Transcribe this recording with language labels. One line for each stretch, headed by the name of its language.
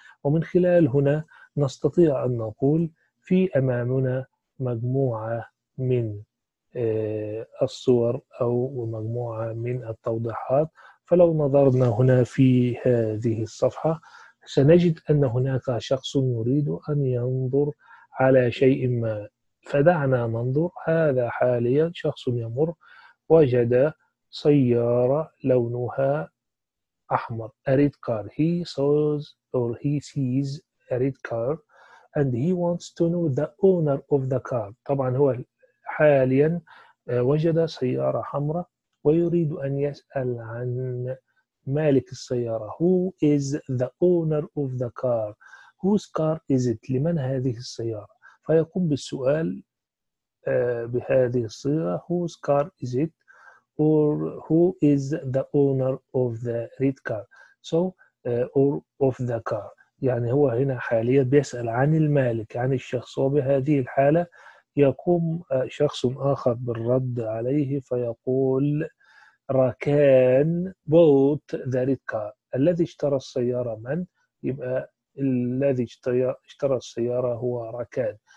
Arabic: ومن خلال هنا نستطيع أن نقول في أمامنا مجموعة من الصور أو مجموعة من التوضيحات، فلو نظرنا هنا في هذه الصفحة سنجد أن هناك شخص يريد أن ينظر على شيء ما، فدعنا ننظر. هذا حاليا شخص يمر وجد سيارة لونها أحمر،
English: a red car. He saws or he sees a red car and he wants to know the owner of the car.
Arabic: طبعا هو حاليا وجد سيارة حمراء ويريد أن يسأل عن مالك السيارة.
English: Who is the owner of the car? Whose car is it?
Arabic: لمن هذه السيارة؟ فيقوم بالسؤال بهذه الصيغة.
English: Whose car is it? Or who is the owner of the red car? So, or of the car.
Arabic: يعني هو هنا حاليا بيسأل عن المالك، عن الشخص، وبهذه الحالة يقوم شخص آخر بالرد عليه فيقول راكان
English: bought the red car,
Arabic: الذي اشترى السيارة من؟ يبقى الذي اشترى السيارة هو راكان.